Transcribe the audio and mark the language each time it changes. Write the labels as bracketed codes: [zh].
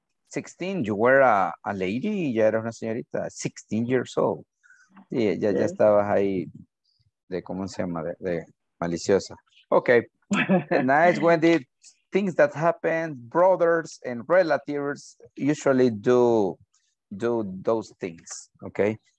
[en] 16, you were a lady, [es] ya era una señorita, [en] 16 years old. [es] Sí, ya estabas ahí de, ¿cómo se llama? De maliciosa. [en] Okay, nice, Wendy. Things that happen, brothers and relatives usually do those things, okay?